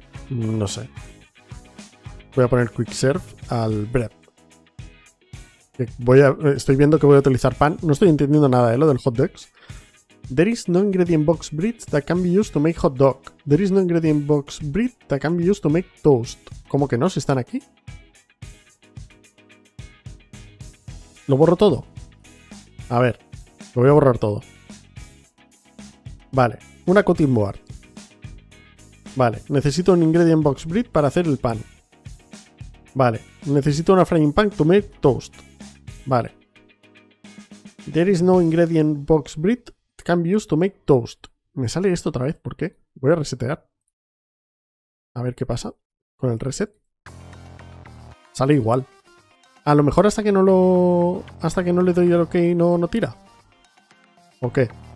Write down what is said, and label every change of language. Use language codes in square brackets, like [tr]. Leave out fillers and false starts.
[es] No sé. Voy a poner quick serve al bread. Estoy viendo que voy a utilizar pan. No estoy entendiendo nada de lo del hot dogs. [en] There is no ingredient box bread that can be used to make hot dog. There is no ingredient box bread that can be used to make toast. [es] ¿Cómo que no? Si están aquí. ¿Lo borro todo? A ver, lo voy a borrar todo. Vale, una cutting board. Vale, necesito un ingredient box bread para hacer el pan. Vale, necesito una [en] frying pan to make toast. [es] Vale. [en] There is no ingredient box bread can be used to make toast. [es] Me sale esto otra vez, ¿por qué? Voy a resetear. A ver qué pasa con el reset. Sale igual. A lo mejor hasta que no le doy el ok no tira. ¿O qué?